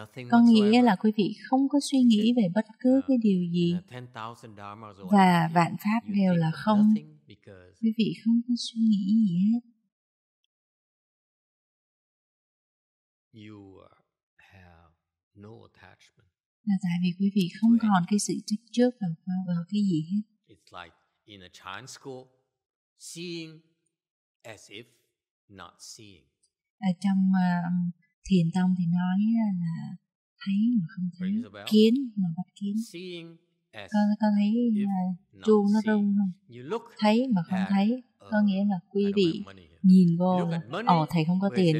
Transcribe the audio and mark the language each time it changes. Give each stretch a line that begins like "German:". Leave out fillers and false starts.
Vietnamese: Có nghĩa là quý vị không có suy nghĩ về bất cứ cái điều gì và vạn pháp đều là không. Quý vị không có suy nghĩ gì hết.
English: You have no attachment.
Vietnamese: Là tại vì quý vị không còn cái sự chấp trước vào cái gì hết.
English: It's like in a chan school, seeing as if not seeing.
Vietnamese: Ở trong thiền tông thì nói là thấy mà không thấy, kiến mà bắt kiến. Có thấy chuông nó rung không? Thấy mà không thấy, có nghĩa là quý vị nhìn vô là ồ, thầy không có tiền.